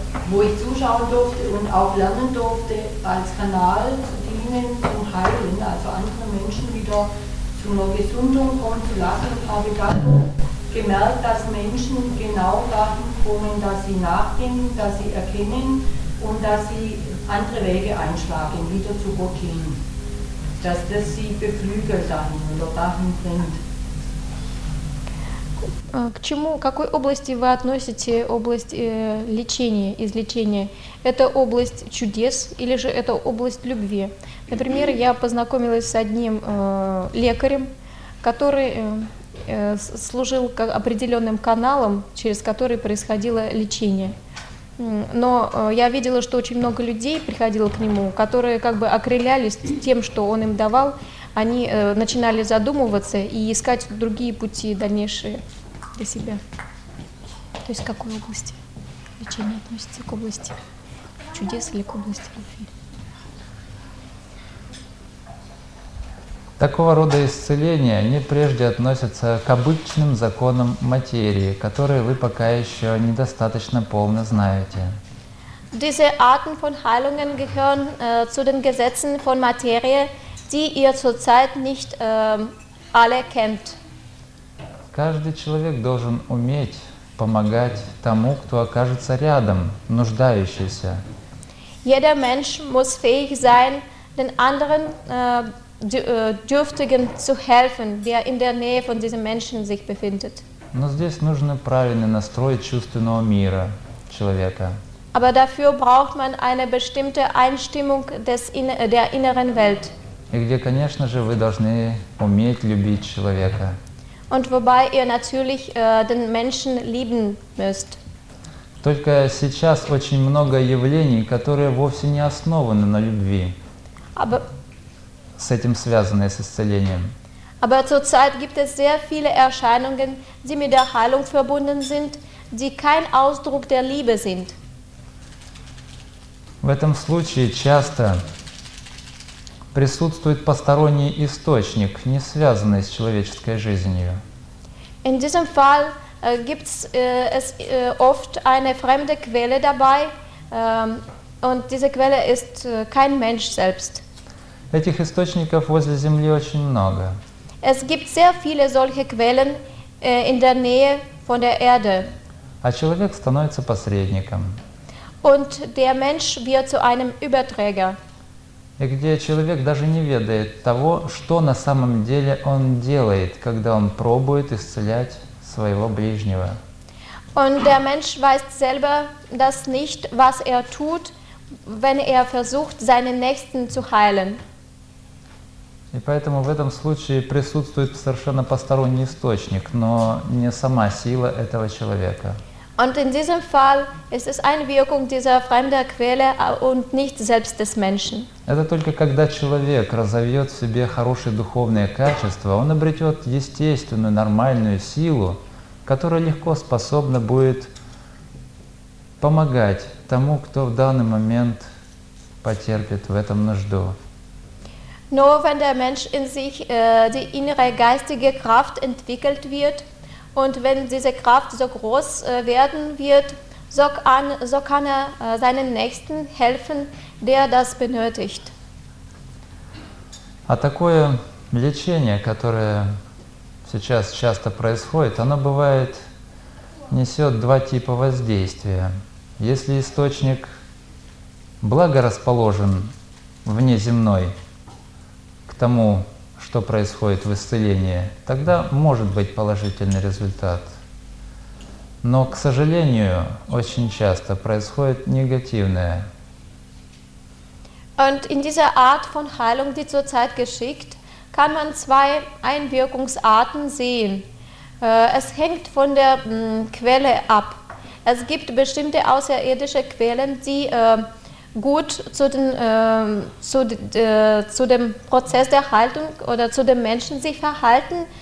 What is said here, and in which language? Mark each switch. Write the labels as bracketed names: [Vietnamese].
[German] wo ich zuschauen durfte und auch lernen durfte, als Kanal zu dienen, zum Heilen, also andere Menschen wieder zu einer Gesundung kommen zu lassen, habe dann gemerkt, dass Menschen genau dahin kommen, dass sie nachdenken, dass sie erkennen und dass sie andere Wege einschlagen, wieder zu Gott hin, dass das sie beflügelt dahin oder dahin bringt. [Russian] К чему, к какой области вы относите область лечения, излечения? Это область чудес или же это область любви? Например, я познакомилась с одним лекарем, который служил определенным каналом, через который происходило лечение. Но я видела, что очень много людей приходило к нему, которые как бы окрылялись тем, что он им давал, они начинали задумываться и искать другие пути дальнейшие. Для себя. То есть к какой области лечения относится? К области чудес или к области любви? Такого рода исцеления, они прежде относятся к обычным законам материи, которые вы пока еще недостаточно полно знаете. [German] Diese Arten von Heilungen gehören zu den Gesetzen von Materie, die ihr zurzeit nicht alle kennt. [Russian] Каждый человек должен уметь помогать тому, кто окажется рядом, нуждающийся. [German] Jeder Mensch muss fähig sein, den anderen Dürftigen zu helfen, der in der Nähe von diesem Menschen sich befindet. [Russian] Но здесь нужен правильный настрой чувственного мира человека. [German] Aber dafür braucht man eine bestimmte Einstimmung der inneren Welt. [Russian] И где, конечно же, вы должны уметь любить человека. [German] Und wobei ihr natürlich den Menschen lieben müsst. [Russian] Только сейчас очень много явлений, которые вовсе не основаны на любви. [German] Aber, [Russian] с этим связанные с исцелением. [German] Aber zurzeit gibt es sehr viele Erscheinungen, die mit der Heilung verbunden sind, die kein Ausdruck der Liebe sind. [Russian] В этом случае часто присутствует посторонний источник, не связанный с человеческой жизнью. [German] In diesem Fall gibt's es oft eine fremde Quelle dabei, und diese Quelle ist kein Mensch selbst. [Russian] Этих источников возле Земли очень много. [German] Es gibt sehr viele solche Quellen in der Nähe von der Erde. [Russian] А человек становится посредником. [German] Und der Mensch wird zu einem Überträger. [Russian] И где человек даже не ведает того, что на самом деле он делает, когда он пробует исцелять своего ближнего. [German] Und der Mensch weiß selber das nicht, was tut, wenn versucht, seinen Nächsten zu heilen. [Russian] И поэтому в этом случае присутствует совершенно посторонний источник, но не сама сила этого человека. [German] Und in diesem Fall ist es eine Wirkung dieser fremden Quelle und nicht selbst des Menschen. [Russian] Это только когда человек разовьет в себе хорошие духовные качества, он обретет естественную, нормальную силу, которая легко способна будет помогать тому, кто в данный момент потерпит в этом нужду. [German] Nur wenn der Mensch in sich die innere geistige Kraft entwickelt wird, und wenn diese Kraft so groß werden wird, so kann er seinen Nächsten helfen, der das benötigt. [Russian] А такое лечение, которое сейчас часто происходит, оно бывает несет два типа воздействия. Если источник благорасположен внеземной к тому, что происходит в исцелении, тогда может быть положительный результат. Но, к сожалению, очень часто происходит негативное. [German] Und in dieser Art von Heilung, die zurzeit geschieht, kann man zwei Einwirkungsarten sehen. Es hängt von der Quelle ab. Es gibt bestimmte außerirdische Quellen, die gut zu, den, zu dem Prozess der Heilung oder zu dem Menschen sich verhalten.